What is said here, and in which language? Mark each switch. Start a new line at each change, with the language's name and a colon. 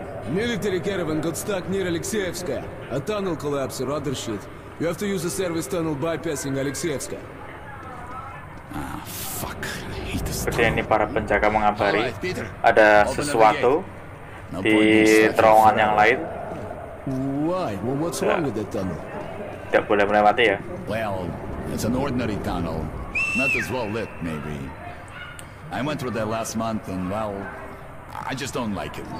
English: Military caravan got stuck near Alexeyevska. A tunnel collapse or other shit. You have to use a service tunnel bypassing Alexeyevska. Fuck.
Indonesian: Seperti ini para penjaga mengabari ada sesuatu di terowongan yang lain.
English: Why? Well, what's wrong with that tunnel?
Indonesian: Tidak boleh melewati ya.
English: Well, it's an ordinary tunnel, not as well lit maybe. I went through that last month and well, I just don't like it.